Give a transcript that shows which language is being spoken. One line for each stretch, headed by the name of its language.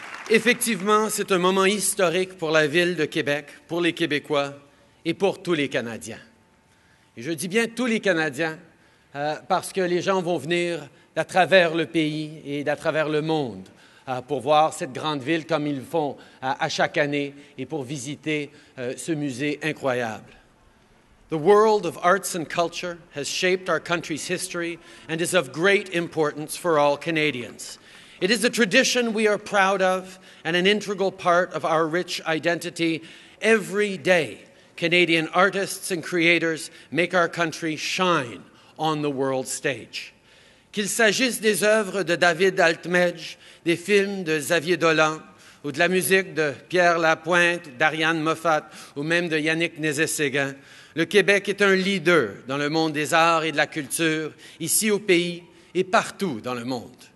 French: Effectivement, c'est un moment historique pour la ville de Québec, pour les Québécois et pour tous les Canadiens. Et je dis bien tous les Canadiens parce que les gens vont venir d'à travers le pays et d'à travers le monde pour voir cette grande ville comme ils le font à chaque année et pour visiter ce musée incroyable.
English: The world of arts and culture has shaped our country's history and is of great importance for all Canadians. It is a tradition we are proud of and an integral part of our rich identity. Every day, Canadian artists and creators make our country shine on the world stage.
French: Qu'il s'agisse des œuvres de David Altmedge, des films de Xavier Dolan, ou de la musique de Pierre Lapointe, d'Ariane Moffat, ou même de Yannick Nézet-Séguin, le Québec est un leader dans le monde des arts et de la culture, ici au pays et partout dans le monde.